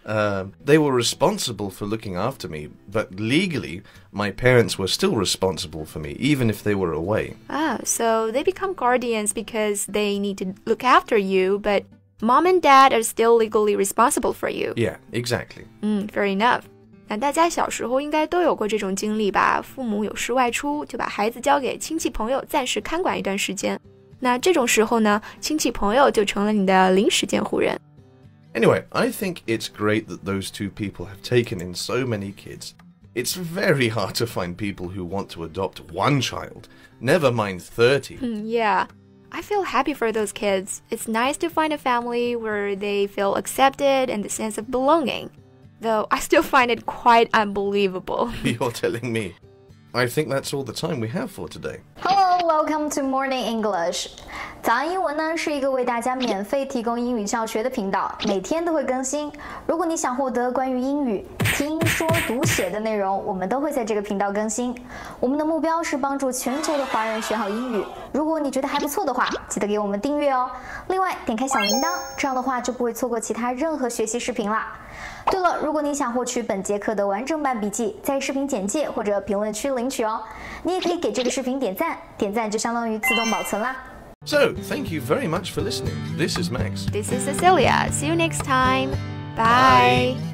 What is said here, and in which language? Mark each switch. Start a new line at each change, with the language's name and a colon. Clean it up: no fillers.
English: They were responsible for looking after me, but legally, my parents were still responsible for me, even if they were away. Ah, so they become guardians because they need to look after you, but mom and dad are still legally responsible for you. Yeah, exactly. Fair enough.
Chinese: 那大家小时候应该都有过这种经历吧？父母有事外出，就把孩子交给亲戚朋友暂时看管一段时间。那这种时候呢，亲戚朋友就成了你的临时监护人。
English: Anyway, I think it's great that those two people have taken in so many kids. It's very hard to find people who want to adopt one child, never mind 30. Yeah, I feel happy for those kids. It's nice to find a family where they feel accepted and the sense of belonging. Though I still find it quite unbelievable. You're telling me. I think that's all the time we have for today. Hello, welcome to Morning English.
Chinese: 早安英文呢是一个为大家免费提供英语教学的频道，每天都会更新。如果你想获得关于英语听说读写的内容，我们都会在这个频道更新。我们的目标是帮助全球的华人学好英语。如果你觉得还不错的话，记得给我们订阅哦。另外点开小铃铛，这样的话就不会错过其他任何学习视频啦。对了，如果你想获取本节课的完整版笔记，在视频简介或者评论区领取哦。你也可以给这个视频点赞，点赞就相当于自动保存啦。
English: So, thank you very much for listening. This is Max. This is Cecilia. See you next time. Bye. Bye.